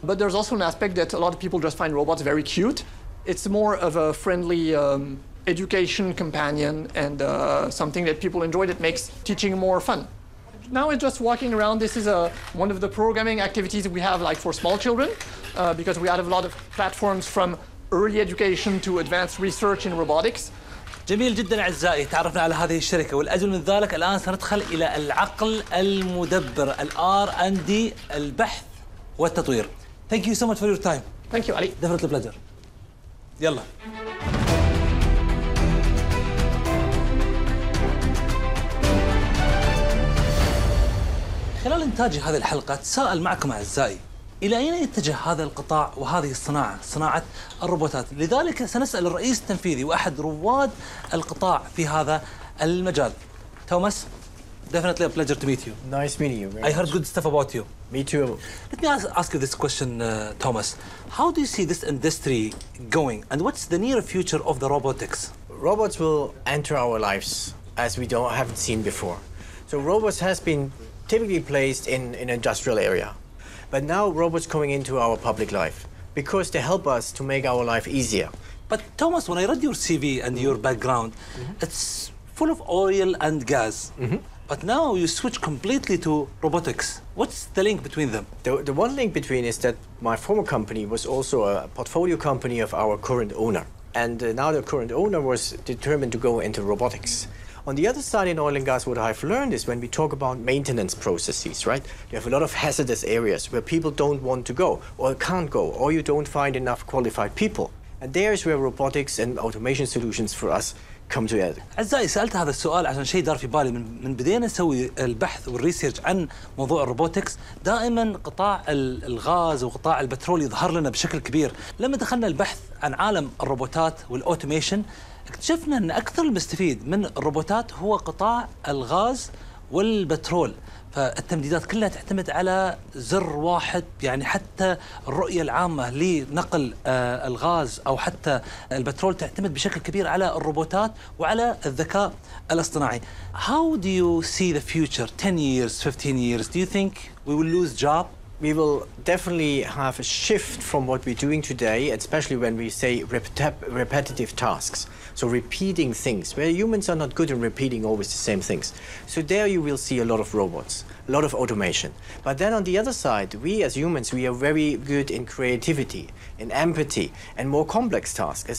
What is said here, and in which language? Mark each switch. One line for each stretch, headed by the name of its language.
English: But there's also an aspect that a lot of people just find robots very cute. It's more of a friendly education companion and something that people enjoy that makes teaching more fun. Now it's just walking around. This is one of the programming activities we have like for small children because we have a lot of platforms from early education to advanced research in robotics.
Arabic: جميل جدا اعزائي تعرفنا على هذه الشركه والاجمل من ذلك الان سندخل الى العقل المدبر الار ان دي البحث والتطوير
English: thank you so much for your time thank you علي different blogger
Arabic: يلا خلال انتاج هذه الحلقه تساءل معكم اعزائي إلى أين يتجه هذا القطاع وهذه الصناعة صناعة الروبوتات لذلك سنسأل الرئيس التنفيذي وأحد رواد القطاع في هذا المجال توماس
English: Definitely a pleasure to meet you Nice meeting you I heard good stuff about you Me too Let me ask you this question Thomas How do you see this industry going and what's the near future of the robotics Robots will enter our lives as we don't haven't seen before So robots has been typically placed in an industrial area But now robots coming into our public life because they help us to make our life easier. But Thomas, when I read your CV and your background, it's full of oil and gas. But now you switch completely to robotics. What's the link between them? The one link between is that my former company was also a portfolio company of our current owner. And now the current owner was determined to go into robotics. On the other side in oil and gas, what I've learned is when we talk about maintenance processes, right? You have a lot of hazardous areas where people don't want to go or can't go or you don't find enough qualified people. And there's where robotics and automation solutions for us come together.
Arabic: أعزائي سألت هذا السؤال عشان شيء دار في بالي من بدينا نسوي البحث والريسيرج عن موضوع الروبوتكس دائما قطاع الغاز وقطاع البترول يظهر لنا بشكل كبير. لما دخلنا البحث عن عالم الروبوتات والأوتوميشن اكتشفنا أن أكثر المستفيد من الروبوتات هو قطاع الغاز والبترول فالتمديدات كلها تعتمد على زر واحد يعني حتى الرؤية العامة لنقل الغاز أو حتى البترول تعتمد بشكل كبير على الروبوتات وعلى الذكاء الاصطناعي
English: How do you see the future 10 years, 15 years? Do you think we will lose jobs? we will definitely have a shift from what we're doing today, especially when we say repetitive tasks. So repeating things, where humans are not good in repeating always the same things. So there you will see a lot of robots, a lot of automation. But then on the other side, we as humans, we are very good in creativity, in empathy, and more complex tasks.